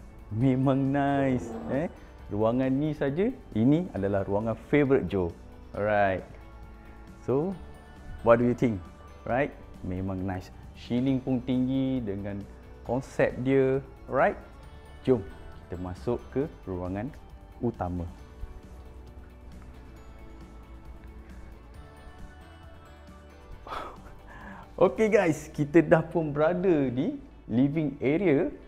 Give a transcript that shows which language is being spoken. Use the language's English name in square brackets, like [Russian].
[Malay] Memang nice. Eh, ruangan ni saja, ini adalah ruangan favorite Joe. [English] Alright, so what do you think? [Malay] Right, memang nice. Ceiling pun tinggi dengan konsep dia. Alright, jom kita masuk ke ruangan utama. Okay guys, kita dah pun berada di living area.